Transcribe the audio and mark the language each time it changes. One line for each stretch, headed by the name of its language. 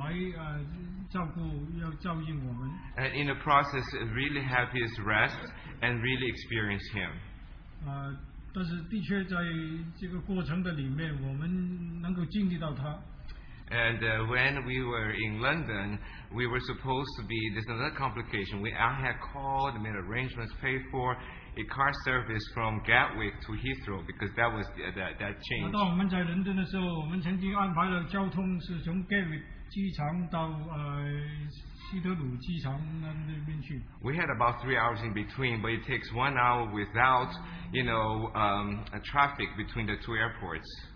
Chinese: 我不觉得我们在人生生活的里面每一个小节都让主来照顾要照应我们。
English: And in the process, really have His rest and really experience Him.
Chinese: 但是的确在这个过程的里面，我们能够经历到他。
English: And when we were in London, we were supposed to be, there's another complication. I had called, made arrangements, paid for a car service from Gatwick to Heathrow because that was that change.
Chinese: 当我们在伦敦的时候，我们曾经安排了交通是从 Gatwick机场到 希德鲁机场那边去。
English: We had about 3 hours in between, but it takes 1 hour without, you know, traffic between the two airports.